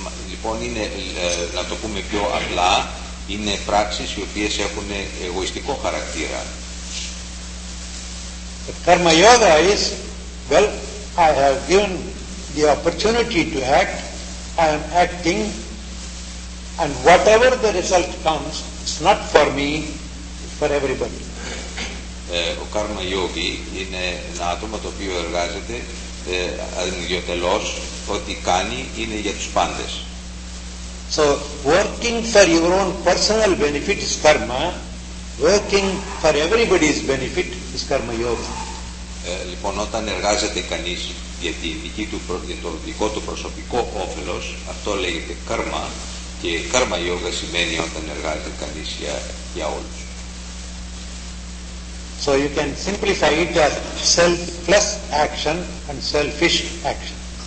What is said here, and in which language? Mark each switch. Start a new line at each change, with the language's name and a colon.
Greek: Λοιπόν, είναι, να το πούμε πιο απλά, είναι πράξεις οι οποίες έχουν εγωιστικό χαρακτήρα.
English: The karma yoga is, well, I have given the opportunity to act, I am acting, and whatever the result comes, it's not for me, it's for everybody.
Greek: Ο karma yogi είναι ένα άτομο το οποίο εργάζεται ανιδιοτελώς, ό,τι κάνει είναι για τους πάντες.
English: So, working for your own personal benefit is karma, working for everybody's benefit is karma yoga.
Greek: Λοιπόν, όταν εργάζεται κανείς για, για το δικό του προσωπικό όφελος, αυτό λέγεται κάρμα, και κάρμα yoga σημαίνει όταν εργάζεται κανείς για, για όλους.
English: So you can simplify it as selfless action and selfish action.